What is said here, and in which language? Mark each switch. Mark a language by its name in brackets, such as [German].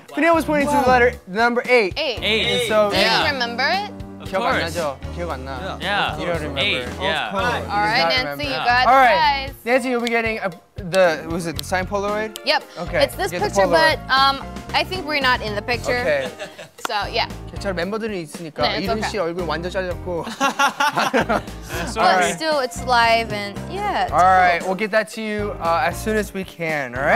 [English] Fennell was pointing to the letter number eight. Eight. So, do you remember it? Nancy, you'll be getting was it the sign Polaroid? Yep. Okay. It's this picture, but I think we're not in the picture. Okay. So yeah. [Korean] 저희 멤버들이 있으니까 네, 이준 씨 얼굴 완전 잘렸고. [English] But still, it's live and yeah. All right, we'll get that to you as soon as we can. All right.